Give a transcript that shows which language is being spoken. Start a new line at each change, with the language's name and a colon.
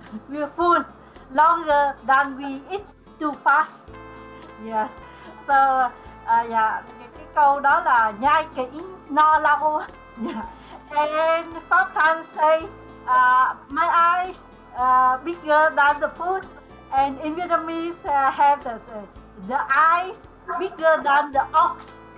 English: We're full longer than we eat too fast. Yes.
Vietnamese: So cái câu đó là nhai kỹ no lâu.
English: And Pháp Thanh say my eyes bigger than the food, and in Vietnamese have the eyes bigger than the ox.